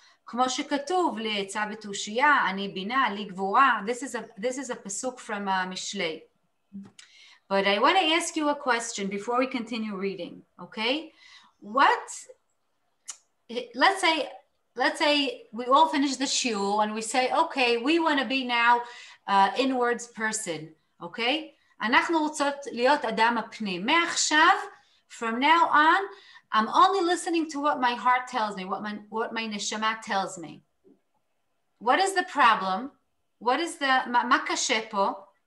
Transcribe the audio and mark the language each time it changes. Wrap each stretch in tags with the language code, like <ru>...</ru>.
<he>כמו שכתוב, לעצה ותושייה, אני בינה, לי גבורה.</he> <en>This is a pasuk from Mishlei. But I want to ask you a question before we continue reading, okay? Let's say we all finish the shiur and we say, okay, we want to be now inwards person, okay?</en> <he>אנחנו רוצות להיות אדם הפנים.</he> <en>מעכשיו, from now on, I'm only listening to what my heart tells me, what my neshama tells me. What is the problem? What is the</en> <he>ma kashe po?</he>